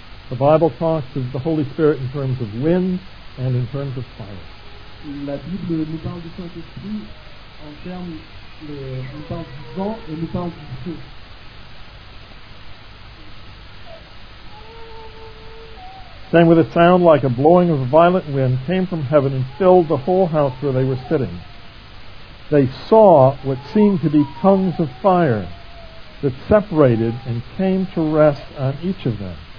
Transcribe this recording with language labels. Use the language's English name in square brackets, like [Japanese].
[English] The Bible talks of the Holy Spirit in terms of wind and in terms of fire. [French] La Bible nous parle du Saint-Esprit en termes nous parle du vent et nous parle du feu. [English] Same with a sound like a blowing of a violent wind came from heaven and filled the whole house where they were sitting. They saw what seemed to be tongues of fire that separated and came to rest on each of them.